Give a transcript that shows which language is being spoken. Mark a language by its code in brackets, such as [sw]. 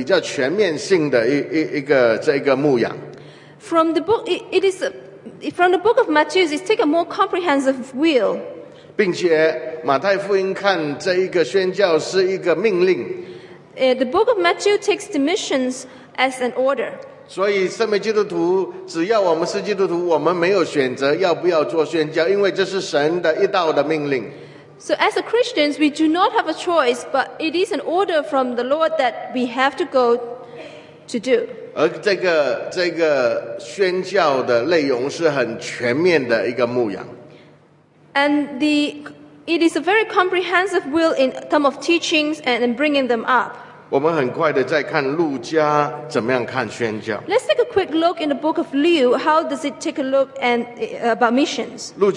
[zh] 所以宣教从马太福音来看是一个比较全面性的一个牧养。 [en] From the book, from the book of Matthew, it takes a more comprehensive view. [zh] 并且马太福音看这一个宣教是一个命令。 [en] The book of Matthew takes the missions as an order. [zh] 所以，身为基督徒，只要我们是基督徒，我们没有选择要不要做宣教，因为这是神的一道的命令。 [en] So as a Christians, we do not have a choice, but it is an order from the Lord that we have to go to do. [zh] 而这个宣教的内容是很全面的一个牧养。 [en] And it is a very comprehensive will in terms of teachings and in bringing them up. [zh] 我们很快的再看路加怎么样看宣教。 [en] Let's take a quick look in the book of Luke. How does it take a look and about missions?